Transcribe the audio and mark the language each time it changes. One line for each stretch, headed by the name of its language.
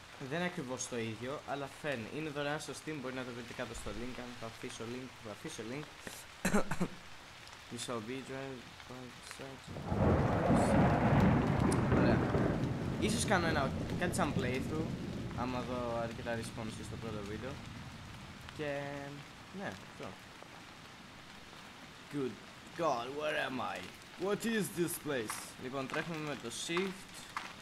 Greek: Δεν είναι ακριβώς το ίδιο, αλλά φαίνει. Είναι δωρεάν στο Steam, μπορεί να το βρείτε κάτω στο link. Αν θα αφήσω link, θα αφήσω link.
English: You shall be dressed by the search.
Greek: Ωραία. Ίσως κάνω ένα κάτι σαν playthrough, άμα δω αρκετά response στο πρώτο βίντεο. Και ναι, αυτό.
English: Good God, where am I? What is this place?
Greek: Λοιπόν, τρέχουμε με το shift.